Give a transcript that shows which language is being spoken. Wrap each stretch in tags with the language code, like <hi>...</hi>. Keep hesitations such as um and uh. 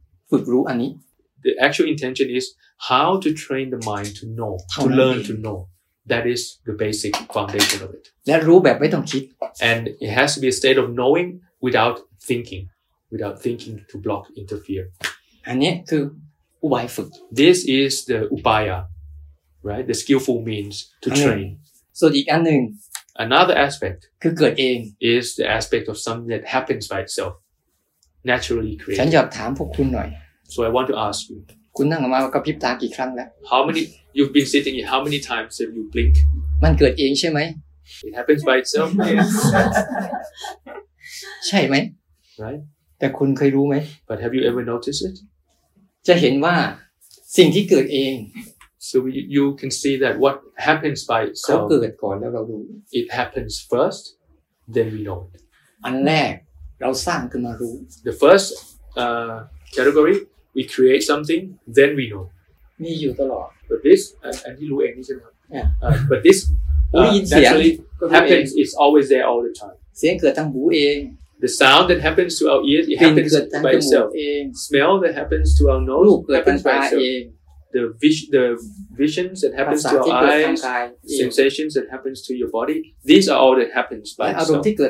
<th>ฝึกรู้อันนี้</th> <en>the actual intention is how to train the mind to know to learn to know that is the basic foundation of it</en> <th>และรู้แบบไม่ต้องคิด</th> <en>and it has to be a state of knowing without thinking without thinking to block interfere</en> <th>อันนี้คืออุบายฝึก</th> <en>this is the upaya right the skillful means to train</en> <th>ส่วนอีกอันหนึ่ง</th> <en>another aspect</en> <th>คือเกิดเอง</th> <en>is the aspect of something that happens by itself naturally created</en> <th>ฉันอยากถามพวกคุณหน่อย</th> <en>so I want to ask you</en> <th>คุณนั่งมากับพิบตากี่ครั้งแล้ว</th> <en>how many you've been sitting here how many times have you blink</en> <th>มันเกิดเองใช่ไหม</th> <en>it happens by itself</en> <th>ใช่ไหม</th> <en>right</en> <th>แต่คุณเคยรู้ไหม</th> <en>but have you ever noticed it</en> <th>จะเห็นว่าสิ่งที่เกิดเอง</th> <en>so you can see that what happens by itself</en> <th>เกิดก่อนแล้วเรารู้</th> <en>it happens first then we know it</en> <th>อันแรกเราสร้างขึ้นมารู้</th> <en>the first uh, category we create something then we know</en> <th>มีอยู่ตลอด</th> <en>but this uh, and</en> <th>ที่รู้เองนี่ใช่ไหม</th> <en>yeah. uh, but this uh, naturally happens is always there all the time</en> <th>เสียงเกิดทางหูเอง</th> <en>The sound that happens to our ears, it happens by, by itself. Smell that happens to our nose, it happens by itself. The, vis- the visions that happens to our eyes, sensations that happens to your body, these are all that happens by itself.</en>